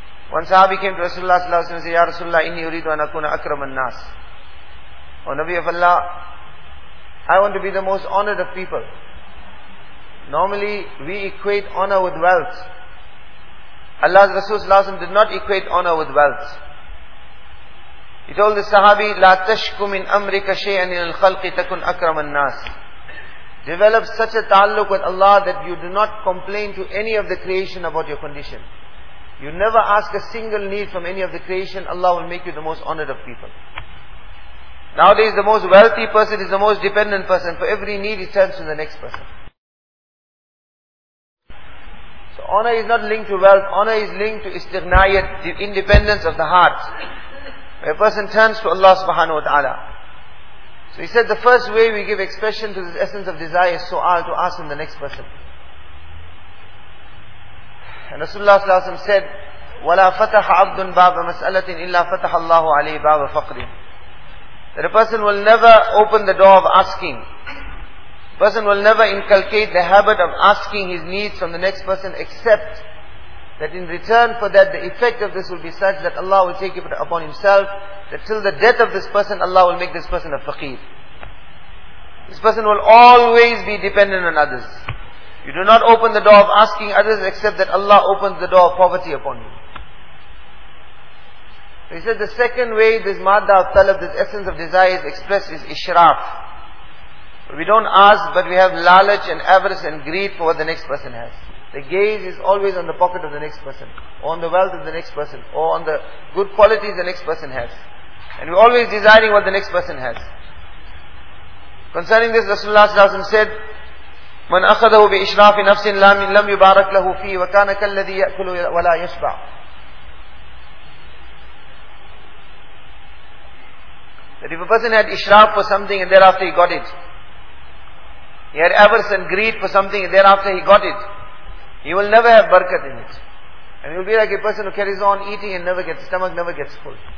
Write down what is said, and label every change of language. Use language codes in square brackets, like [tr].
[en] One sahabi came to Rasulullah sallallahu alaihi wasallam and said, Ya Rasulullah, [ar] inni uridu an akuna akraman nas. [en] O Nabi of Allah, I want to be the most honored of people. Normally, we equate honor with wealth. Allah's Rasul sallallahu alaihi wasallam did not equate honor with wealth. He told the sahabi, [ar] لا تشكو من أمرك شيئا إلى الخلق تكن أكرم الناس. [en] Develop such a ta'alluq with Allah that you do not complain to any of the creation about your condition. You never ask a single need from any of the creation, Allah will make you the most honored of people. Nowadays the most wealthy person is the most dependent person. For every need he turns to the next person. So honor is not linked to wealth. Honor is linked to istighnayat, the independence of the heart. A person turns to Allah subhanahu wa ta'ala. So he said the first way we give expression to this essence of desire is su'al, to ask from the next person. And Rasulullah sallallahu alayhi wa sallam said, [ar] وَلَا فَتَحَ عَبْدٌ بَابَ مَسْأَلَةٍ إِلَّا فَتَحَ اللَّهُ عَلَيْهِ بَابَ فَقْرٍ. [en] That a person will never open the door of asking. A person will never inculcate the habit of asking his needs from the next person except that in return for that the effect of this will be such that Allah will take it upon himself that till the death of this person Allah will make this person a faqir. This person will always be dependent on others. You do not open the door of asking others except that Allah opens the door of poverty upon you. He said the second way this madda of talab, this essence of desire is expressed is ishraf. We don't ask but we have lalach and avarice and greed for what the next person has. The gaze is always on the pocket of the next person, or on the wealth of the next person, or on the good qualities the next person has. And we're always desiring what the next person has. Concerning this, Rasulullah sallallahu alaihi wasallam said, [ar] مَنْ أَخَذَهُ بِإِشْرَافِ نَفْسٍ لَمْ يُبَارَكْ لَهُ فِيهِ وَكَانَ كَالَّذِي يَأْكُلُ وَلَا يَشْبَعْ. [en] That if a person had ishraf for something and thereafter he got it, he had avarice and greed for something and thereafter he got it, he will never have barakat in it. And he will be like a person who carries on eating and never gets full.